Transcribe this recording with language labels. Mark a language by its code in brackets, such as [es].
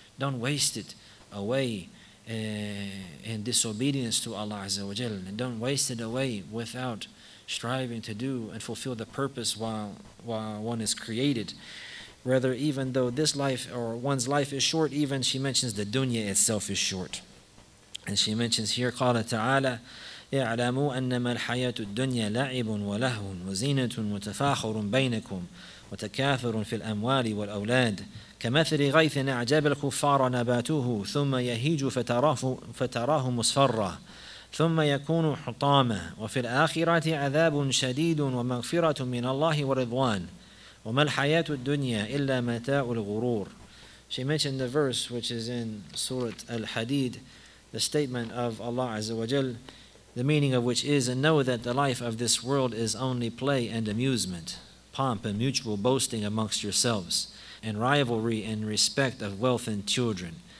[en] Don't waste it away in disobedience to Allah Azza wa Jalla. And don't waste it away without striving to do and fulfill the purpose while one is created. Rather, even though this life or one's life is short, even she mentions the dunya itself is short. And she mentions here, [ar] قال تعالى اعلموا أنما الحياة الدنيا لعب ولهو وزينة وتفاخر بينكم وتكاثر في الأموال والأولاد كمثل غيث أعجب الكفار نباته ثم يهيج فتراه مصفرا ثم يكون حطاما وفي الآخرة عذاب شديد ومغفرة من الله ورضوان وما الحياة الدنيا إلا متاع الغرور. [en] She mentioned the verse which is in Surah Al-Hadid, the statement of Allah Azza wa Jal, the meaning of which is, and know that the life of this world is only play and amusement, pomp and mutual boasting amongst yourselves, and rivalry in respect of wealth and children.